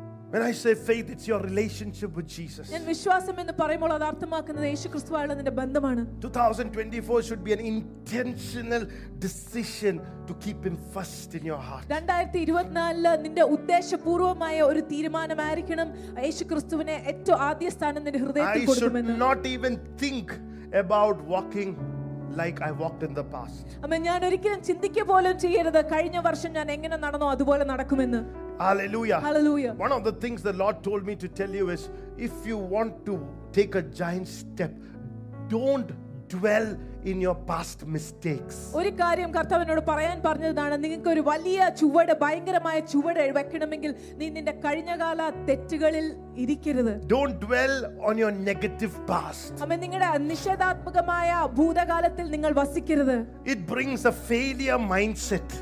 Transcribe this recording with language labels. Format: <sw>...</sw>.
<en>When I say faith, it's your relationship with Jesus.</en> <ml>N വിശ്വാസം എന്ന് പറയുമ്പോൾ അത് അർത്ഥമാക്കുന്നത് യേശുക്രിസ്തുവായുള്ള നിന്റെ ബന്ധമാണ്.</ml> <en>2024 should be an intentional decision to keep him first in your heart.</en> <ml>2024 നിന്റെ ഉദ്ദേശപൂർവമായ ഒരു തീരുമാനമായിരിക്കണം യേശുക്രിസ്തുവിനെ ഏറ്റവും ആദ്യ സ്ഥാനം നിന്റെ ഹൃദയത്തിൽ കൊടുക്കണം.</ml> <en>I should not even think about walking like I walked in the past.</en> <ml>അമ്മേ, ഞാൻ ഒരിക്കലും ചിന്തിക്ക പോലും ചെയ്യരുത് കഴിഞ്ഞ വർഷം ഞാൻ എങ്ങനെ നടന്നോ അതുപോലെ നടക്കുമെന്ന്.</ml> <en>Hallelujah. Hallelujah. One of the things the Lord told me to tell you is if you want to take a giant step, don't dwell in your past mistakes.</en> <ml>ഒരു കാര്യം കർത്താവിനോട് പറയാൻ പറഞ്ഞതാണ് നിങ്ങൾക്ക് ഒരു വലിയ ചുവട് ഭയങ്കരമായ ചുവട് വെക്കണമെങ്കിൽ നീ നിന്റെ കഴിഞ്ഞകാല തെറ്റുകളിൽ ഇരിക്കരുത്.</ml> <en>Don't dwell on your negative past.</en> <ml>അമേ, നിങ്ങളുടെ നിഷേധാത്മകമായ ഭൂതകാലത്തിൽ നിങ്ങൾ വസിക്കരുത്.</ml> <en>It brings a failure mindset.</en>